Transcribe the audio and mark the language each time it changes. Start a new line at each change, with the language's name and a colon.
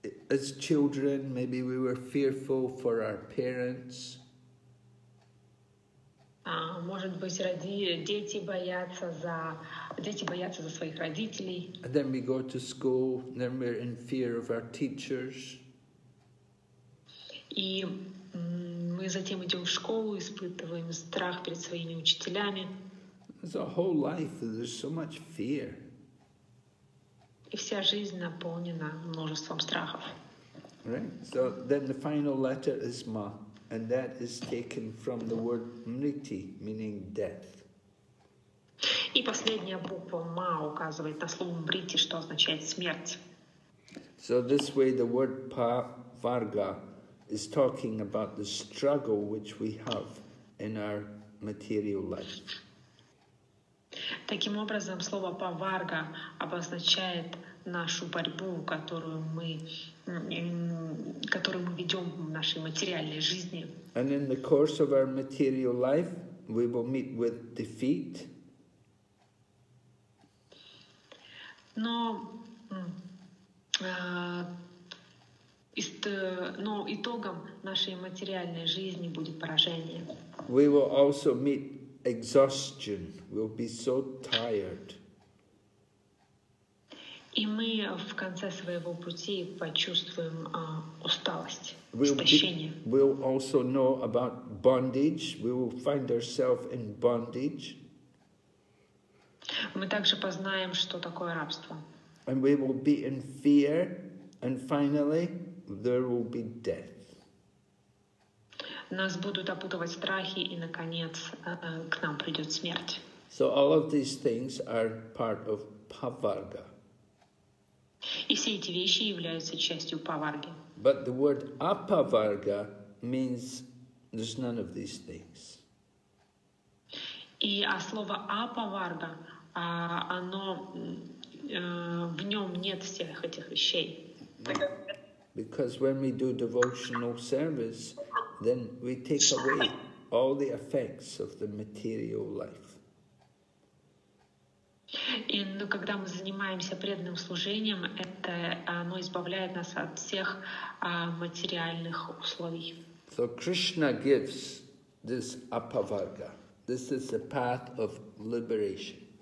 English: As children, maybe we were fearful for our parents.
Russian: Может быть, дети боятся за своих родителей.
English: And then we go to school, and then we're in fear of our teachers.
Russian: И мы затем идем в школу, испытываем страх перед своими учителями.
English: It's a whole life, there's so much fear.
Russian: И вся жизнь наполнена множеством страхов.
English: Right. So then the final letter is ma. And that is taken from the word mriti, meaning death.
Russian: И последняя буква ma указывает на слово mriti, что означает смерть.
English: So this way the word pa varga is talking about the struggle which we have in our material life.
Russian: Таким образом, слово pa varga обозначает нашу борьбу, которую мы ведем в нашей материальной жизни.
English: And in the course of our material life, we will meet with defeat.
Russian: Но итогом нашей материальной жизни будет поражение.
English: We will also meet exhaustion. We'll be so tired.
Russian: И мы в конце своего пути почувствуем усталость, истощение.
English: We'll also know about bondage. We will find ourselves in bondage.
Russian: Мы также познаем, что такое рабство.
English: And we will be in fear. And finally, there will be death.
Russian: Нас будут опутывать страхи, и, наконец, к нам придет смерть.
English: So all of these things are part of pavarga.
Russian: И все эти вещи являются частью паварги.
English: But the word apavarga means there's none of these things.
Russian: И а слово apavarga, оно в нем нет всех этих вещей.
English: Because when we do devotional service, then we take away all the effects of the material life.
Russian: И, ну, когда мы занимаемся преданным служением, это оно избавляет нас от всех материальных условий.
English: So Krishna gives this apavarga. This is the path of liberation.